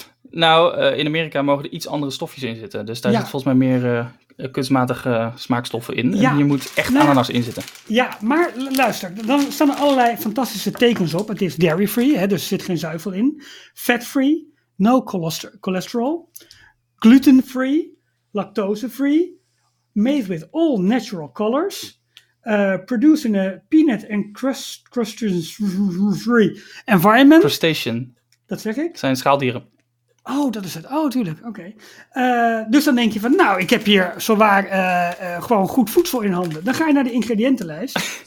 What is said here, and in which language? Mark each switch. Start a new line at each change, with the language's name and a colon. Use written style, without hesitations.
Dutch: Nou, in Amerika mogen er iets andere stofjes in zitten. Dus daar zit volgens mij meer kunstmatige smaakstoffen in. Ja. En je moet echt ananas in zitten. Ja, maar luister, dan staan er allerlei fantastische tekens op. Het is dairy-free, hè, dus er zit geen zuivel in.
English: Fat-free, no cholesterol. Gluten-free, lactose-free, made with all natural colors, produced in a peanut and crustacean-free environment. Crustacean.
Dutch: Dat zeg ik? Zijn schaaldieren. Oh, dat is het. Oh, tuurlijk. Oké. Dus dan denk je van, ik heb hier zowaar gewoon goed voedsel in handen. Dan ga je naar de ingrediëntenlijst.